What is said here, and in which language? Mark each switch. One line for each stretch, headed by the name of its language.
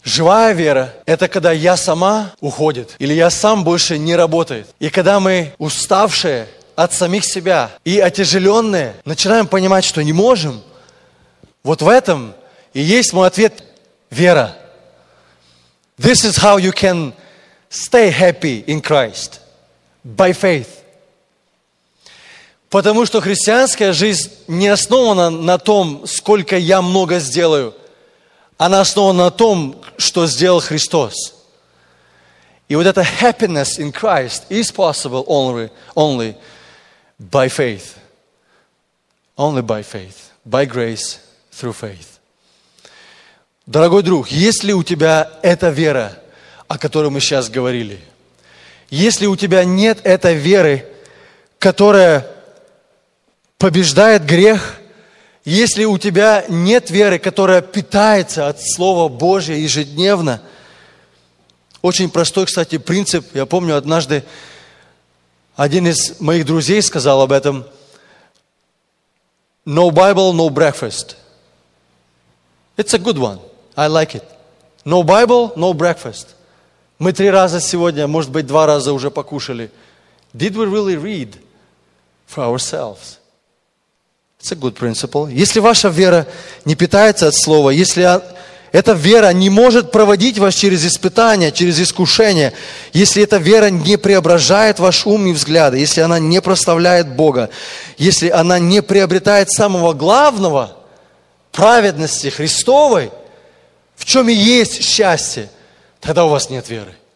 Russian: Живая вера – это когда «я сама» уходит. Или «я сам» больше не работает. И когда мы уставшие от самих себя и отяжеленные, начинаем понимать, что не можем, вот в этом и есть мой ответ – вера.
English: This is how you can stay happy in Christ. By faith.
Russian: Потому что христианская жизнь не основана на том, сколько я много сделаю. Она основана на том, что сделал Христос. И вот эта
English: happiness in Christ is possible only by faith. Only by faith. By grace through faith.
Russian: Дорогой друг, есть ли у тебя эта вера, о которой мы сейчас говорили? Если у тебя нет этой веры, которая побеждает грех, если у тебя нет веры, которая питается от Слова Божия ежедневно, очень простой, кстати, принцип. Я помню, однажды один из моих друзей сказал об этом.
English: No Bible, no breakfast. It's a good one. I like it. No Bible, no breakfast.
Russian: Мы 3 раза сегодня, может быть, 2 раза уже покушали.
English: Did we really read for ourselves? It's a good principle.
Russian: Если ваша вера не питается от слова, если эта вера не может проводить вас через испытания, через искушения, если эта вера не преображает ваш ум и взгляды, если она не прославляет Бога, если она не приобретает самого главного праведности Христовой, в чем и есть счастье, тогда у вас нет веры.